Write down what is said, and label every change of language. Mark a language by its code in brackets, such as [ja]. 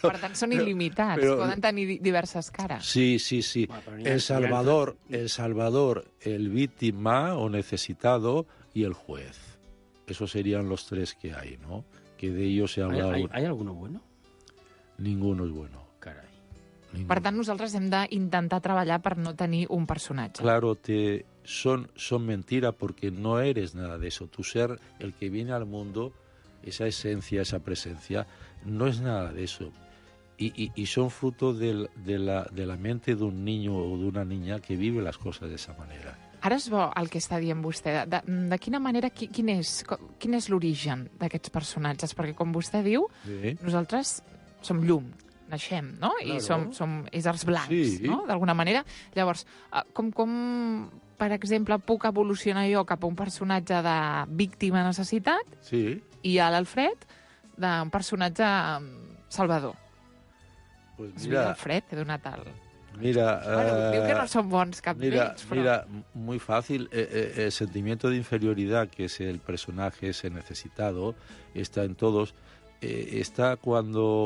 [ca] per tant, són il·limitats, poden tenir diverses cares. Sí. El Salvador, el víctima o necessitado, i el juez. [es] esos serían los tres que hay, ¿no? Que de ellos se ha hablado... ¿Hay alguno bueno? Ninguno es bueno. [ca] Carai. Ningú. Per tant, nosaltres hem d'intentar treballar per no tenir un personatge. [es] Claro, son mentira porque no eres nada de eso. Tu ser, el que viene al mundo, esa esencia, esa presencia, no es nada de eso. Y son fruto de la mente de un niño o de una niña que vive las cosas de esa manera. [ca] Ara és bo el que està dient vostè. De quina manera, quin és l'origen d'aquests personatges? Perquè, com vostè diu, nosaltres som llum. Naixem, no? Claro. I som éssers blancs, sí, no? D'alguna manera. Llavors, com, per exemple, puc evolucionar jo cap a un personatge de víctima necessitat, sí, i a l'Alfred d'un personatge salvador? [es] Pues mira, [ca] Alfred, he donat el... Mira, bueno, diu que no són bons cap mira, d'ells, però... [es] Mira, muy fácil, el sentimiento de inferioridad, que es el personaje ese necesitado, está en todos, está cuando...